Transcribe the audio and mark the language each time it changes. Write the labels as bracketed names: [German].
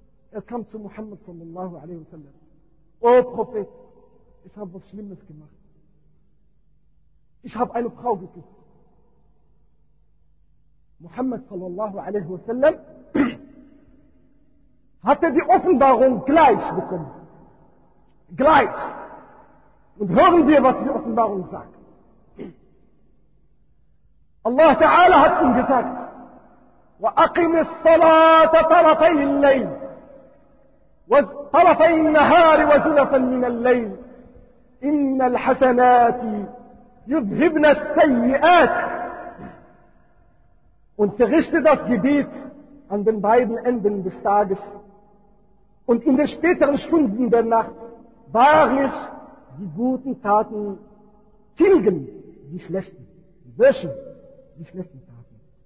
[German] Er kam zu Muhammad sallallahu alaihi wasallam. O Prophet, ich habe was Schlimmes gemacht. Ich habe eine Frau geküsst. Muhammed sallallahu aleyhi ve sellem hatte die Offenbarung gleich bekommen. Gleich. Und hören wir, was die Offenbarung sagt. [Arabic] Allah Ta'ala [German] hat ihm gesagt, [Arabic] وَأَقِمِ الصَّلَاةَ طَرَفَيِ اللَّيْلِ وَطَرَفَيِ النَّهَارِ وَزُلَفًا مِنَ اللَّيْلِ إِنَّ الْحَسَنَاتِ يُذْهِبْنَ السَّيِّئَاتِ. [German] Und verrichte das Gebet an den beiden Enden des Tages. Und in den späteren Stunden der Nacht wahrlich die guten Taten tilgen die schlechten, löschen die schlechten Taten.